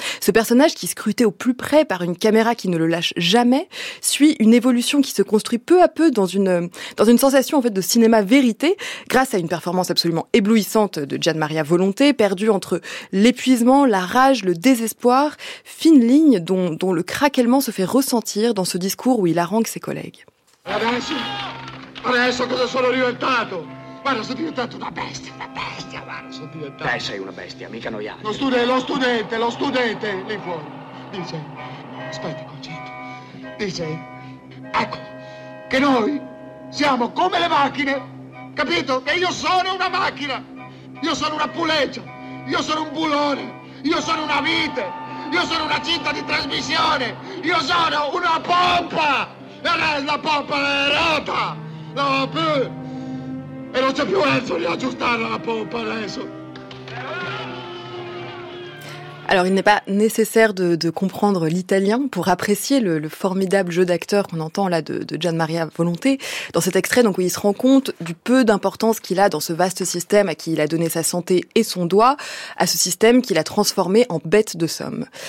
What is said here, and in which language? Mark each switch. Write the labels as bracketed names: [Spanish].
[French] Ce personnage, qui scruté au plus près par une caméra qui ne le lâche jamais, suit une évolution qui se construit peu à peu dans une sensation en fait de cinéma vérité, grâce à une performance absolument éblouissante de Gian Maria Volonté, perdue entre l'épuisement, la rage, le désespoir, fine ligne dont le craquement se fait ressentir dans ce discours où il harangue ses collègues. [Italian] Adesso cosa sono diventato? Guarda, sono diventato una bestia, guarda, sono diventato. Beh, sei una bestia, mica noi altri. Lo studente, lì fuori. Dice, aspetta, concentro. Dice, ecco, che noi siamo come le macchine, capito? Che io sono una macchina, io sono una puleggia, io sono un bulone, io sono una vite, io sono una cinta di trasmissione, io sono una pompa! E lei la pompa è rotta! No, più! E non c'è più Enzo di aggiustare la pompa adesso! [French] Alors, il n'est pas nécessaire de comprendre l'italien pour apprécier le formidable jeu d'acteur qu'on entend là de Gian Maria Volonté. Dans cet extrait, donc, où il se rend compte du peu d'importance qu'il a dans ce vaste système à qui il a donné sa santé et son doigt, à ce système qu'il a transformé en bête de somme.